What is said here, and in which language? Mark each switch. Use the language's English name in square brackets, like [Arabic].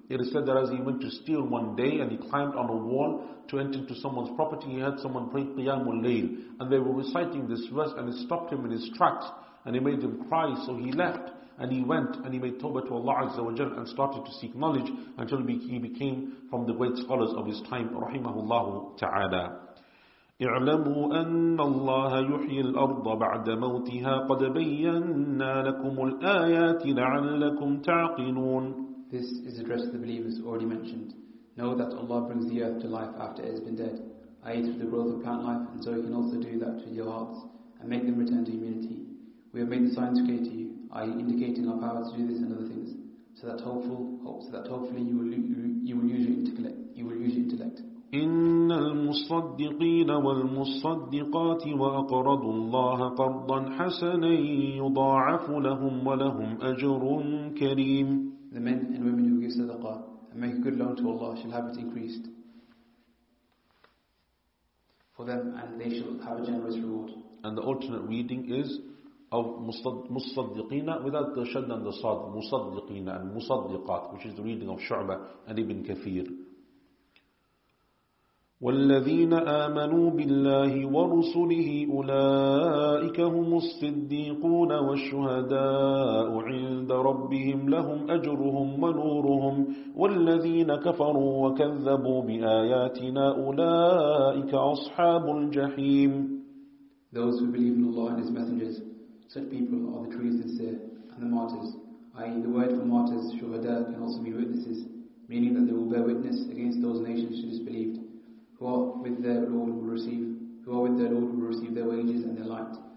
[English] It is said that as he went to steal one day and he climbed on a wall to enter into someone's property, he heard someone pray Qiyamul Layl, and they were reciting this verse, and it stopped him in his tracks and it made him cry. So he left and he went and he made tawbah to Allah Azza wa Jalla and started to seek knowledge until he became from the great scholars of his time, rahimahullahu ta'ala. [Arabic] اعلموا أن الله يحيي الأرض بعد موتها قد بينا لكم الآيات لعلكم تعقلون. [English] This is addressed to the believers already mentioned. Know that Allah brings the earth to life after it has been dead, i.e. through the growth of plant life, and so He can also do that to your hearts and make them return to humanity. We have made the signs clear to you, i.e. indicating our power to do this and other things, so that hopefully you will use your intellect. [Arabic] إن المصدقين والمصدقات وأقرضوا الله قرضا حسنا يضاعف لهم ولهم أجر كريم. [English] The men and women who give sadaqah and make a good loan to Allah shall have it increased for them, and they shall have a generous reward. And the alternate reading is of مصدقين without the shadd and the sad, مصدقين and مصدقات, which is the reading of شعبة and Ibn Kathir. [Arabic] والذين آمنوا بالله ورسله أولئك هم الصديقون والشهداء عند ربهم لهم أجرهم ونورهم والذين كفروا وكذبوا بآياتنا أولئك أصحاب الجحيم. [English] Those who believe in Allah and His messengers, such people are the truly sincere and the martyrs, i.e. the word for martyrs, shuhada, can also be witnesses, meaning that they will bear witness against those nations who disbelieved. Who are with their Lord will receive their wages and their light.